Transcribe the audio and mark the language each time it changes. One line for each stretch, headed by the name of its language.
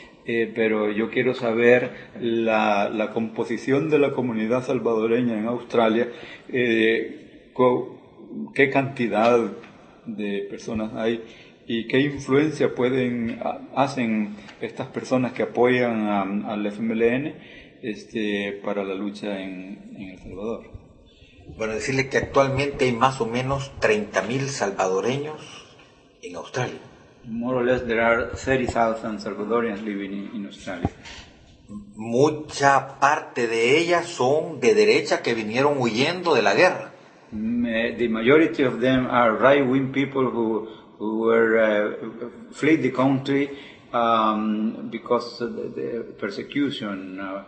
Spanish: Pero yo quiero saber la composición de la comunidad salvadoreña en Australia, qué cantidad de personas hay y qué influencia hacen estas personas que apoyan al FMLN para la lucha en El Salvador. Bueno, decirle que actualmente hay más o menos 30,000 salvadoreños en Australia.
English: More or less, there are 30,000 Salvadorians living in Australia.
Spanish: Mucha parte de ellas son de derecha que vinieron huyendo de la guerra.
English: The majority of them are right-wing people who were fled the country because of the persecution.